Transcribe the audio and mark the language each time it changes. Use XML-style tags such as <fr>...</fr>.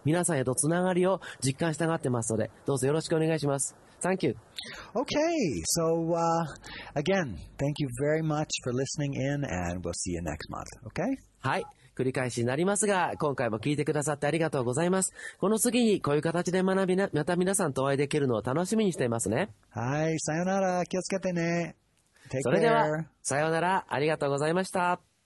<ja>皆さんへとつながりを実感したがってますので、どうぞよろしくお願いします。</ja> <en>Thank you. Okay, so again, thank you very much for listening in, and we'll see you next month. Okay?</en> <ja>はい、繰り返しになりますが、今回も聞いてくださってありがとうございます。この次にこういう形で学びな、また皆さんとお会いできるのを楽しみにしていますね。はい、さよなら、気をつけてね。それでは、さよなら、ありがとうございました。</ja>